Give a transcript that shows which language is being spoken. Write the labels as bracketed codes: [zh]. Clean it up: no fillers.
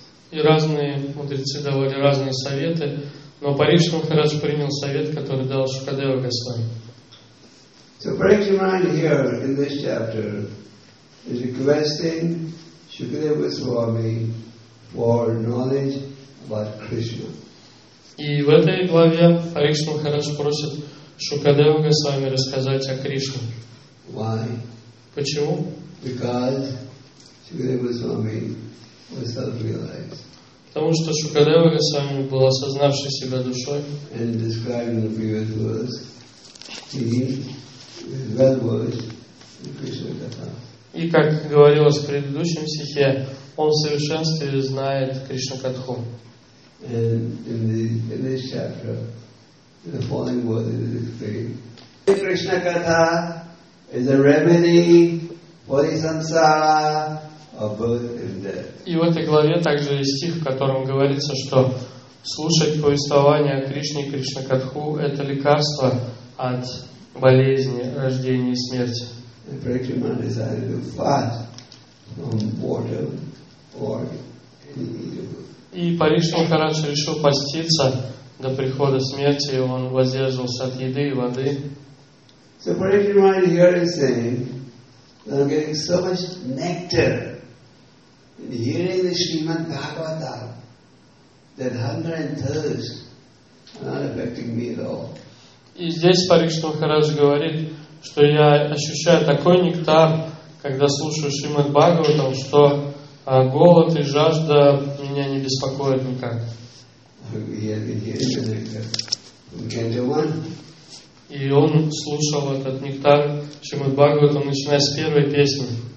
[ru] И разные мудрецы давали разные советы, но Парикшит Махарадж принял совет, который дал Шукадева Госвами. [en] So Parikshit Maharaj here in this chapter is requesting Shukadeva Goswami for knowledge about Krishna. [ru] И в этой главе Парикшит Махарадж просит Шукадева Госвами рассказать о Кришне. [en] Why? [ru] Почему? [en] Because Shukadeva Goswami was self-realized. [ru] Потому что Шукадева Госвами был осознавшей себя душой. [en] And in describing the previous verse, he well-versed in Krishna Katha. [ru] И как говорилось в предыдущем стихе, он в совершенстве знает Кришна Катху. [en] And in this chapter, the following words is explained. Krishna Katha is a remedy for the samsara of birth and death. [ru] И в этой главе также есть стих, в котором говорится, что слушать повествование о Кришне и Кришна Катху — это лекарство от болезни, рождения и смерти. [en] And Parikshit Maharaj decided to fast from water or [ru] И Парикшит Махарадж решил поститься до прихода смерти, и он воздерживался от еды и воды. [en] So Parikshit Maharaj here is saying that I'm getting so much nectar in hearing the Srimad Bhagavatam that hunger and thirst are not affecting me at all. [ru] И здесь Парикшит Махарадж говорит, что я ощущаю такой нектар, когда слушаю Шримад Бхагаватам, что А голод и жажда меня не беспокоят никак. И он слушал этот нектар Шримад Бхагаватам, начиная с первой песни.